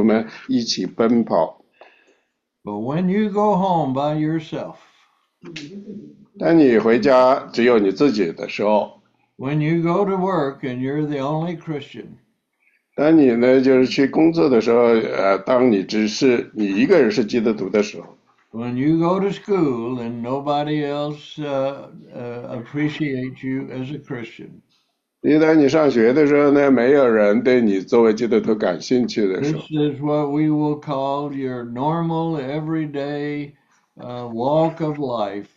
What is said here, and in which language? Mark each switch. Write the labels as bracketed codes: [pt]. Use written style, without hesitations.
[zh] 所以当你和基督徒们在一起团契的时候呢，你们大家呢一起呢享受主，一起去读圣经，一起去祷告。当你们有这样的团契的时候呢，你就在奔跑，而且你非常享受的和基督徒们一起奔跑。 [en] But when you go home by yourself, [zh] 当你回家只有你自己的时候, [en] when you go to work and you're the only Christian, [zh] 当你呢就是去工作的时候，当你只是你一个人是基督徒的时候, [en] when you go to school and nobody else appreciates you as a Christian, [zh] 当你上学的时候呢，没有人对你作为基督徒感兴趣的时候, [en] this is what we will call your normal everyday walk of life.